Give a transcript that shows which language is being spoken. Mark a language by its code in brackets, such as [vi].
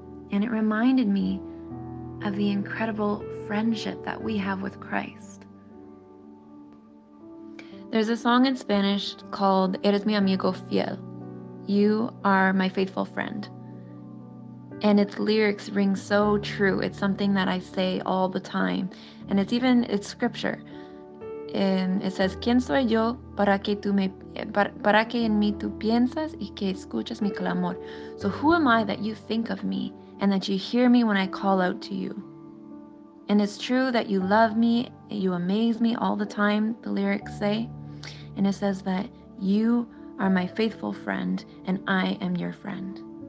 [en] And it reminded me of the incredible friendship that we have with Christ. There's a song in Spanish called Eres mi amigo fiel. You are my faithful friend. And its lyrics ring so true. It's something that I say all the time. And it's scripture. And it says, [es] ¿Quién soy yo para que en mí tú piensas y que escuchas mi clamor? [en] So who am I that you think of me and that you hear me when I call out to you? And it's true that you love me, you amaze me all the time, the lyrics say. And it says that you are my faithful friend and I am your friend.